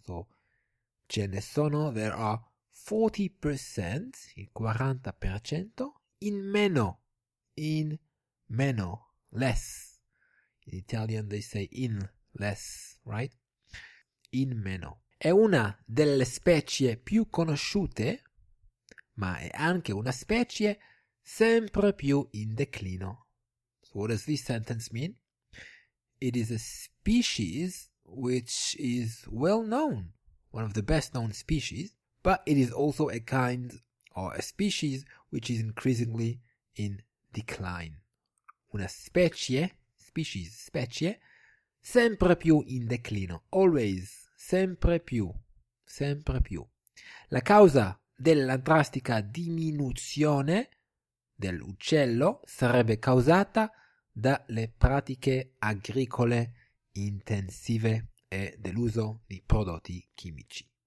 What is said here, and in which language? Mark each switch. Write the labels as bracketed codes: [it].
[it] So, ce ne sono, [en] there are 40%, [it] il 40%, in meno, [en] less. In Italian they say in less, right? In meno. [it] È una delle specie più conosciute, ma è anche una specie sempre più in declino. [en] So what does this sentence mean? It is a species which is well known, one of the best known species, but it is also a kind or a species which is increasingly in decline. [it] Una specie, species, specie, sempre più in declino, [en] always, [it] sempre più, sempre più. La causa della drastica diminuzione dell'uccello sarebbe causata dalle pratiche agricole intensive e dell'uso di prodotti chimici.